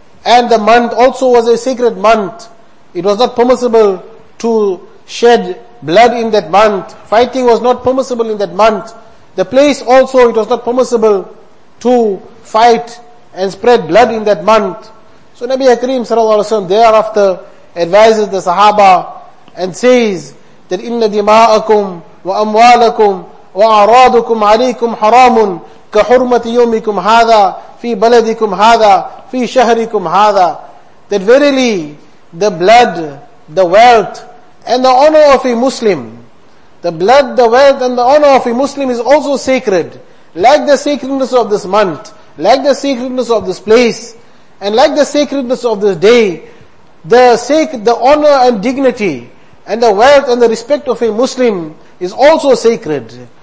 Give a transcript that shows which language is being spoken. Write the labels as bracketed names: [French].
[English] And the month also was a sacred month. It was not permissible to shed blood in that month. Fighting was not permissible in that month. The place also, it was not permissible to fight and spread blood in that month. So Nabi Kareem sallallahu alayhi wa sallam thereafter advises the Sahaba and says that [Arabic] إِنَّ دِمَاءَكُمْ وَأَمْوَالَكُمْ وَأَعْرَاضُكُمْ عَلَيْكُمْ حَرَامٌ كَحُرْمَةِ يَوْمِكُمْ هَذَا فِي بَلَدِكُمْ هَذَا فِي شَهْرِكُمْ هَذَا. [English] That verily the blood, the wealth and the honor of a Muslim, The blood, the wealth and the honor of a Muslim is also sacred. Like the sacredness of this month, like the sacredness of this place, and like the sacredness of this day, the honor and dignity and the wealth and the respect of a Muslim is also sacred.